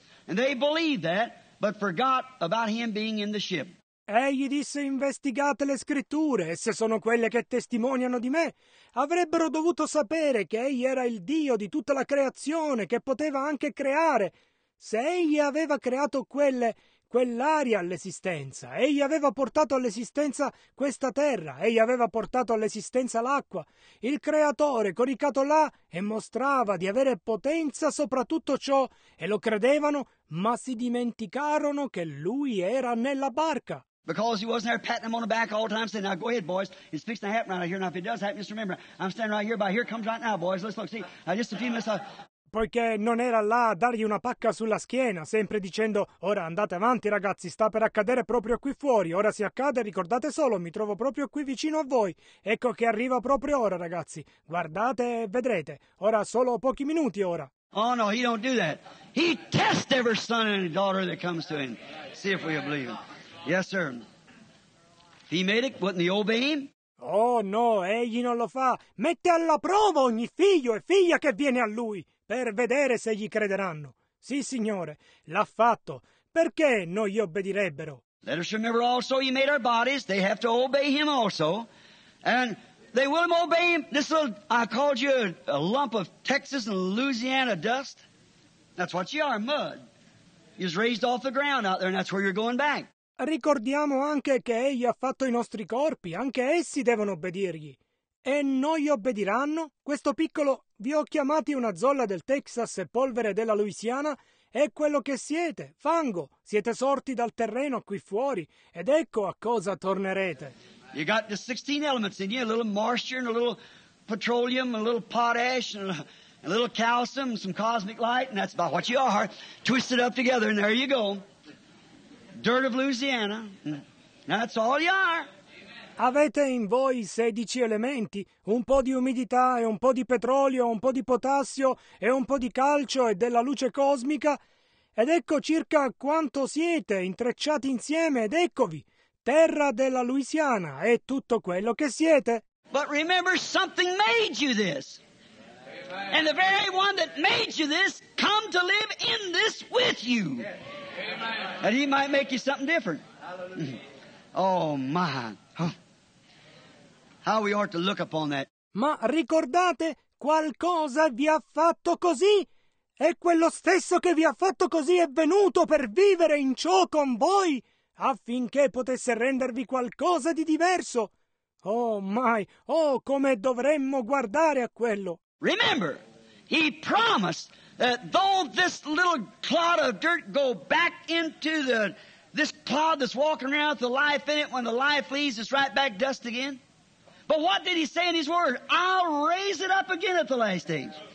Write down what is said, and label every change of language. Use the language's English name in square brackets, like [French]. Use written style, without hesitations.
[English] And they believed that, but forgot about him being in the ship. [Italian] Egli disse, investigate le scritture, e se sono quelle che testimoniano di me, avrebbero dovuto sapere che egli era il Dio di tutta la creazione, che poteva anche creare. Se egli aveva creato quell'aria all'esistenza, egli aveva portato all'esistenza questa terra, egli aveva portato all'esistenza l'acqua, il creatore coricato là e mostrava di avere potenza sopra tutto ciò, e lo credevano, ma si dimenticarono che lui era nella barca. [English] Because he wasn't there patting him on the back all the time, saying, now go ahead, boys. It's fixing to happen right here. Now, if it does happen, just remember, I'm standing right here, but here it comes right now, boys. Let's look, see, now just a few minutes. [Italian] Poiché non era là a dargli una pacca sulla schiena, sempre dicendo, ora andate avanti, ragazzi, sta per accadere proprio qui fuori. Ora si accade, ricordate solo, mi trovo proprio qui vicino a voi. Ecco che arriva proprio ora, ragazzi. Guardate e vedrete. Ora solo pochi minuti, ora. [English] Oh, no, he don't do that. He tests every son and daughter that comes to him. See if we believe him. Yes, sir. If he made it, wouldn't he obey him? [Italian] Oh, no, egli non lo fa. Mette alla prova ogni figlio e figlia che viene a lui, per vedere se gli crederanno. Sì, signore, l'ha fatto. Perché non gli obbedirebbero? [English] Let us remember also he made our bodies. They have to obey him also. And they will obey him. This little, I called you a lump of Texas and Louisiana dust. That's what you are, mud. You was raised off the ground out there, and that's where you're going back. [Italian] Ricordiamo anche che egli ha fatto i nostri corpi, anche essi devono obbedirgli. e noi obbediranno? Questo piccolo, vi ho chiamati una zolla del Texas e polvere della Louisiana? È quello che siete, fango, siete sorti dal terreno qui fuori, ed ecco a cosa tornerete. [English] You got the 16 elements in you, a little moisture and a little petroleum, a little potash and a little calcium, some cosmic light, and that's about what you are. Twisted up together, and there you go. Dirt of Louisiana. That's all you are. [Italian] Avete in voi 16 elementi, un po' di umidità e un po' di petrolio, un po' di potassio e un po' di calcio e della luce cosmica, ed ecco circa quanto siete intrecciati insieme, ed eccovi, terra della Louisiana e tutto quello che siete. [English] But remember, something made you this. Amen. And the very one that made you this come to live in this with you. Amen. And he might make you something different. Hallelujah. Oh my. How we ought to look upon that. [Italian] Ma ricordate, qualcosa vi ha fatto così, e quello stesso che vi ha fatto così è venuto per vivere in ciò con voi, affinché potesse rendervi qualcosa di diverso. Oh my, oh come dovremmo guardare a quello. [English] Remember, he promised that though this little clod of dirt go back into this clod that's walking around with the life in it, when the life leaves, it's right back dust again. But what did he say in his word? I'll raise it up again at the last age.